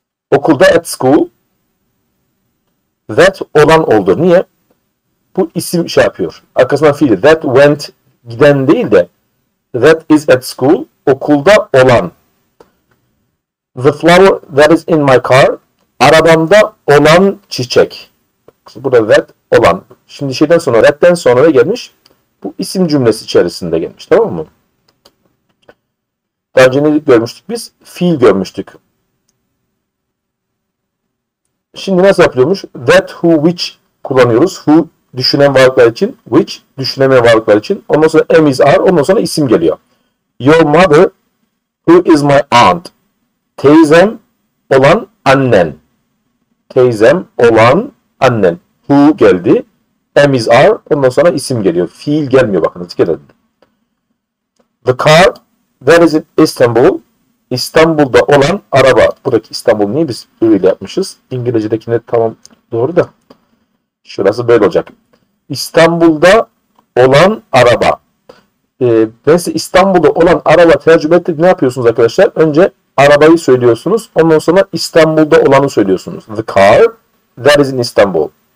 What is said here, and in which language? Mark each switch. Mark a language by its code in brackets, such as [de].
[tr] Okulda [en] at school. [tr] That olan oldu. Niye? Bu isim şey yapıyor. Arkasından fiil. [en] That went [tr] giden değil de [en] that is at school. [tr] Okulda olan. [en] The flower that is in my car. [tr] Arabamda olan çiçek. Burada that olan. Şimdi şeyden sonra that'ten sonra ne gelmiş? Bu isim cümlesi içerisinde gelmiş. Tamam mı? Daha önce ne görmüştük biz? Fiil görmüştük. Şimdi nasıl yapıyormuş? That, who, which kullanıyoruz. Who düşünen varlıklar için. Which düşünemeyen varlıklar için. Ondan sonra am is are. Ondan sonra isim geliyor. [en] Your mother, who is my aunt. [tr] Teyzem olan annen. Teyzem olan annen. Who geldi. Am is are. Ondan sonra isim geliyor. Fiil gelmiyor bakın. Dikkat edin. [en] The car that is in Istanbul. [tr] İstanbul'da olan araba. Buradaki İstanbul niye biz böyle yapmışız? İngilizce'deki de tamam doğru da. Şurası böyle olacak. İstanbul'da olan araba. Ben size İstanbul'da olan araba tercüme ettik. Ne yapıyorsunuz arkadaşlar? Önce arabayı söylüyorsunuz. Ondan sonra İstanbul'da olanı söylüyorsunuz. [en] The car that is in Istanbul.